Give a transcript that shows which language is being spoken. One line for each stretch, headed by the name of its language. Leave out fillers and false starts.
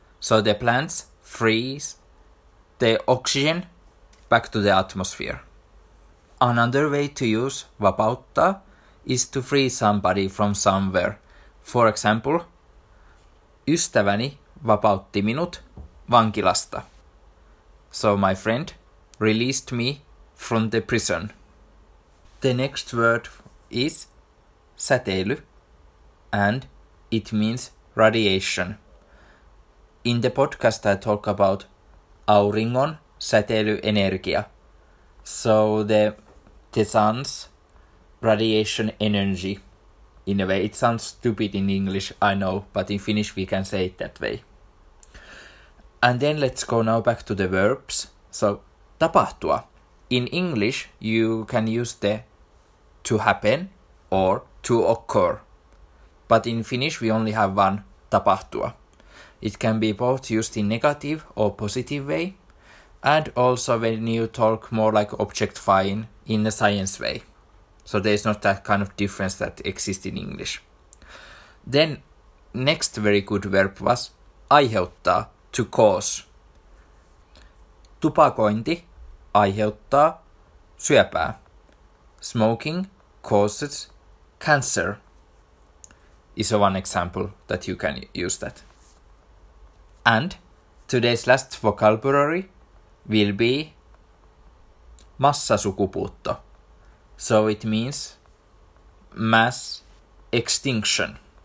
English: So the plants freeze the oxygen back to the atmosphere. Another way to use vapauttaa is to free somebody from somewhere. For example,
Finnish: ystäväni vapautti minut vankilasta.
English: So my friend released me from the prison. The next word is säteily, and it means radiation. In the podcast I talk about
Finnish: auringon säteilyenergia.
English: So the sun's radiation energy. In a way, it sounds stupid in English, I know, but in Finnish we can say it that way. And then let's go now back to the verbs. So, tapahtua. In English, you can use the to happen or to occur. But in Finnish, we only have one, tapahtua. It can be both used in negative or positive way. And also when you talk more like objectifying in a science way. So there's not that kind of difference that exists in English. Then, next very good verb was aiheuttaa, to cause.
Finnish: Tupakointi aiheuttaa syöpää.
English: Smoking causes cancer. Is one example that you can use that. And today's last vocabulary will be massasukupuutto. So it means mass extinction.